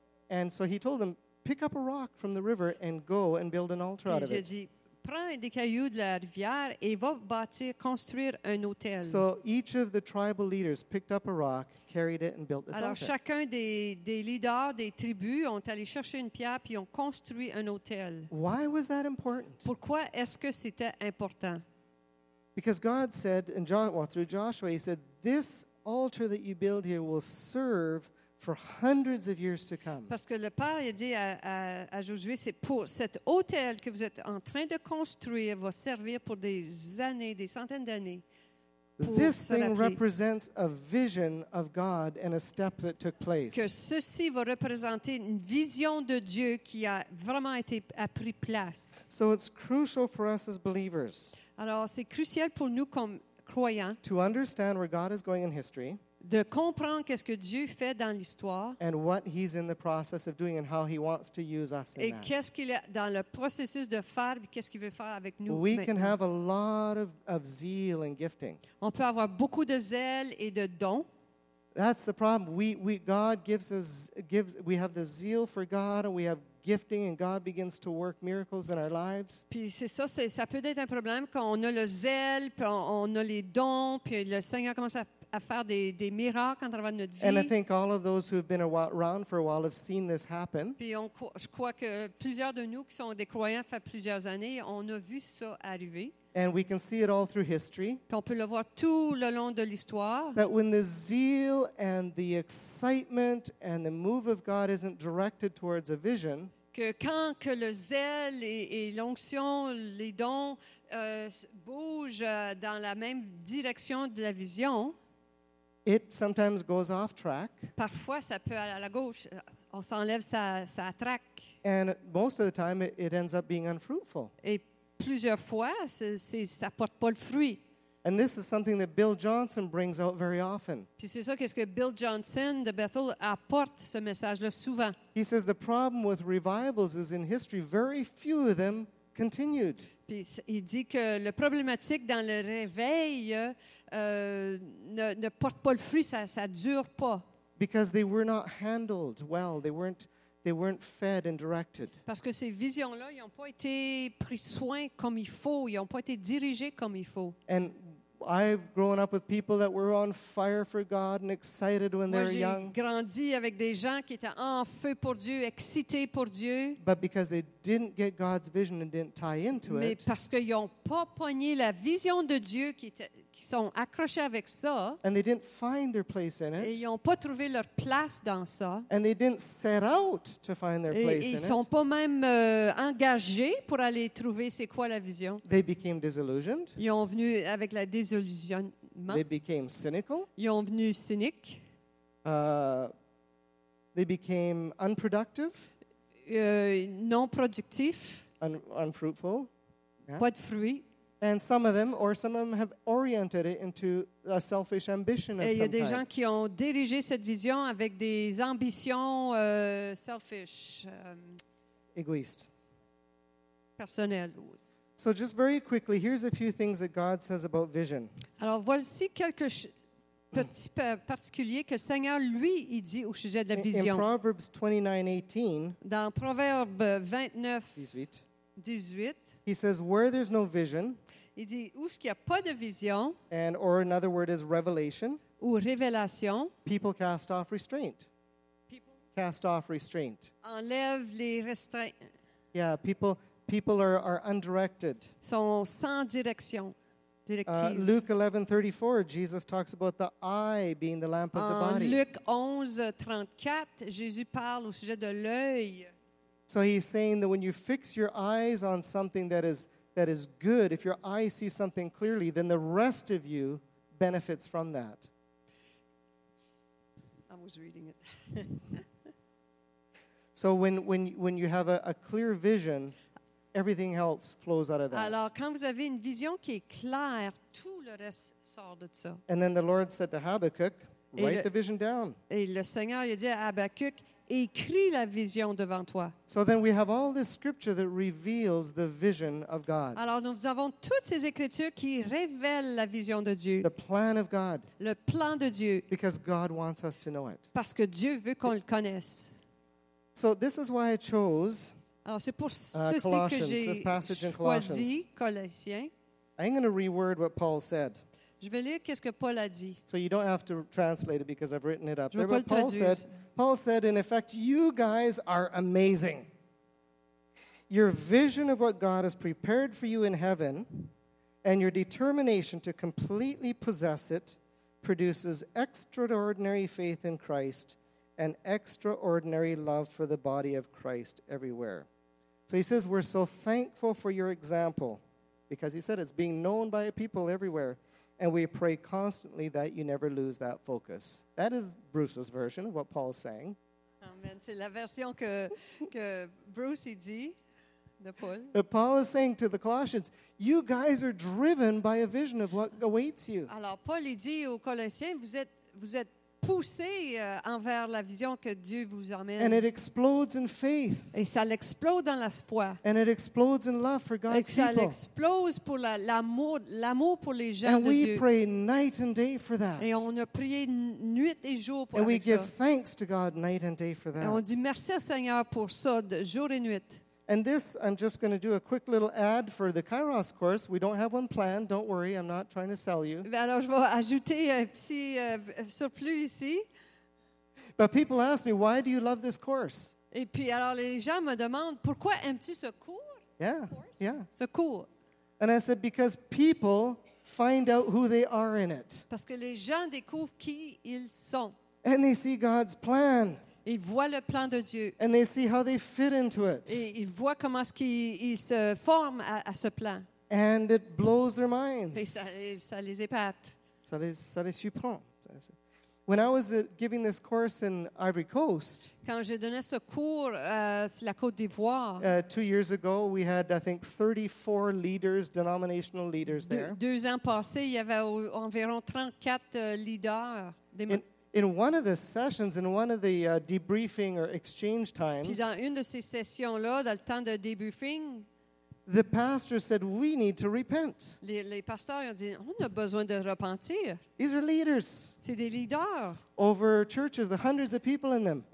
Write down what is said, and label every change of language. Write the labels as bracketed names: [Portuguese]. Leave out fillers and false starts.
[English] And so he told them, pick up a rock from the river and go and build an altar out of it. [French] Il a dit, prends des cailloux de la rivière et va bâtir, construire un autel. [English] So each of the tribal leaders picked up a rock, carried it and built this altar. [French] Alors chacun des leaders des tribus ont allé chercher une pierre puis ont construit un autel. [English] Why was that important? [French] Pourquoi est-ce que c'était important? [English] Because God said, through Joshua, he said, this altar that you build here will serve for hundreds of years to come. [French] Parce que le Père a dit à Josué, c'est pour cet autel que vous êtes en train de construire va servir pour des années, des centaines d'années. [English] This thing represents a vision of God and a step that took place. [French] Que ceci va représenter une vision de Dieu qui a vraiment a pris place. [English] So it's crucial for us as believers. [French] Alors c'est crucial pour nous comme croyants. [English] To understand where God is going in history. [French] De comprendre qu'est-ce que Dieu fait dans l'histoire. [English] And what he's in the process of doing and how he wants to use us in that. [French] Et qu'est-ce qu'il est dans le processus de faire et qu'est-ce qu'il veut faire avec nous. [English] We can have a lot of zeal and gifting. [French] On peut avoir beaucoup de zèle et de dons. [English] That's the problem. We have the zeal for God and we have gifting and God begins to work miracles in our lives. [French] Puis c'est ça, ça peut être un problème quand on a le zèle, puis on a les dons, puis le Seigneur commence à faire des miracles en travers de notre vie. [English] And I think all of those who have been around for a while have seen this happen. [French] Puis je crois que plusieurs de nous qui sont des croyants fait plusieurs années, on a vu ça arriver. [English] And we can see it all through history. [French] Puis on peut le voir tout le long de l'histoire. [English] That when the zeal and the excitement and the move of God isn't directed towards a vision, [French] que quand que le zèle et l'onction, les dons bougent dans la même direction de la vision, [English] it sometimes goes off track. [French] Parfois, ça peut aller à la gauche. On s'enlève sa traque. [English] And most of the time, it ends up being unfruitful. [French] Et plusieurs fois, ça porte pas le fruit. [English] And this is something that Bill Johnson brings out very often. [French] Puis c'est ça qu'est-ce que Bill Johnson de Bethel apporte ce message-là souvent. [English] He says the problem with revivals is in history, very few of them continued. [French] Puis il dit que le problématique dans le réveil ne porte pas le fruit, ça dure pas. [English] Because they were not handled well, they weren't fed and directed. [French] Parce que ces visions-là, ils n'ont pas été pris soin comme il faut, ils n'ont pas été dirigés comme il faut. [English] And I've grown up with people that were on fire for God and excited when [French] Moi, [English] they were young. [French] J'ai grandi avec des gens qui étaient en feu pour Dieu, excités pour Dieu. [English] But because they didn't get God's vision and didn't tie into [French] Mais [English] it. [French] Mais parce qu'ils n'ont pas pogné la vision de Dieu qui sont accrochés avec ça. [English] And they didn't find their place in it. [French] Et ils n'ont pas trouvé leur place dans ça. [English] And they didn't set out to find their [French] et [English] place in it. [French] Et ils sont pas même engagés pour aller trouver c'est quoi la vision. [English] They became disillusioned. [French] Ils sont venus avec la désillusion. [English] They became cynical. [French] Ils sont devenus cyniques. [English] They became unproductive. [French] Non productifs. [English] Unfruitful. [French] Yeah. Pas de fruits. [English] And some of them have oriented it into a selfish ambition. [French] Et il y a des gens qui ont dirigé cette vision avec des ambitions selfish. Égoïstes. Personnelles. [English] So just very quickly, here's a few things that God says about vision. [French] Alors voici quelques petits particuliers que Seigneur lui il dit au sujet de la vision. [English] In Proverbs 29:18. [French] Dans Proverbes 29:18. [English] He says, "Where there's no vision." [French] Il dit où ce qu'il y a pas de vision. [English] And or another word is revelation. [French] Ou révélation. [English] People cast off restraint. People cast off restraint. [French] Enlève les restreints. [English] Yeah, people are undirected. [French] Sont sans direction. [English] Luke 11:34, Jesus talks about the eye being the lamp of the body. [French] En Luc 11:34, Jésus parle au sujet de l'œil. [English] So he's saying that when you fix your eyes on something that is good, if your eye sees something clearly, then the rest of you benefits from that. I was reading it. So when you have a clear vision, everything else flows out of that. [French] Alors, quand vous avez une vision qui est claire, tout le reste sort de ça. [English] And then the Lord said to Habakkuk, write the vision down. [French] Et le Seigneur a dit à Habakkuk, écris la vision devant toi. [English] So then we have all this scripture that reveals the vision of God. [French] Alors, nous avons toutes ces écritures qui révèlent la vision de Dieu. [English] The plan of God. [French] Le plan de Dieu. [English] Because God wants us to know it. [French] Parce que Dieu veut qu'on le connaisse. [English] So this is why I chose... [French] Alors, c'est pour ceci que j'ai choisi, Colossiens. [English] I'm going to reword what Paul said. [French] Je vais lire qu'est-ce que Paul a dit. [English] So you don't have to translate it because I've written it up. [French] Je veux pas le traduire. [English] Paul said, in effect, you guys are amazing. Your vision of what God has prepared for you in heaven and your determination to completely possess it produces extraordinary faith in Christ an extraordinary love for the body of Christ everywhere. So he says, we're so thankful for your example, because he said it's being known by people everywhere, and we pray constantly that you never lose that focus. That is Bruce's version of what Paul's saying. Amen. [French] C'est la version que Bruce il dit de Paul. [English] But Paul is saying to the Colossians, you guys are driven by a vision of what awaits you. [French] Alors Paul il dit aux Colossiens, vous êtes pousser envers la vision que Dieu vous amène. [English] And it explodes in faith. [French] Et ça l'explose dans la foi. [English] And it explodes in love for God's [French] Et ça [English] people. [French] L'explose pour l'amour pour les gens [English] and [French] de Dieu. [English] And we pray night and day for that. [French] Et on a prié nuit et jour pour [English] and [French] avec [English] we give [French] ça. [English] Thanks to God night and day for that. [French] Et on dit merci au Seigneur pour ça de jour et nuit. [English] And this, I'm just going to do a quick little ad for the Kairos course. We don't have one planned. Don't worry, I'm not trying to sell you. [French] Alors, je vais ajouter un petit surplus ici. [English] But people ask me, why do you love this course? [French] Et puis, alors, les gens me demandent, pourquoi aimes-tu ce cours? [English] Yeah, yeah. [French] Ce cours. [English] And I said, because people find out who they are in it. [French] Parce que les gens découvrent qui ils sont. [English] And they see God's plan. [French] Ils voient le plan de Dieu. [English] And they see how they fit into it. [French] Et ils voient comment est-ce qu'ils se forment à ce plan. [English] And it blows their minds. [French] Et ça les épate. Ça les surprend. [English] When I was giving this course in Ivory Coast, [French] quand j'ai donné ce cours sur la Côte d'Ivoire, [English] 2 years ago, we had I think 34 leaders, denominational leaders there. [French] Deux ans passés, il y avait environ 34 leaders. [English] In one of the sessions, in one of the debriefing or exchange times, [French] puis dans une de ces sessions là, dans le temps de debriefing, [English] the pastor said, "We need to repent." [French] Les pasteurs ont dit, on a besoin de repentir. [English] These are leaders. [French] C'est des leaders. [English] Over churches, the hundreds of people in them.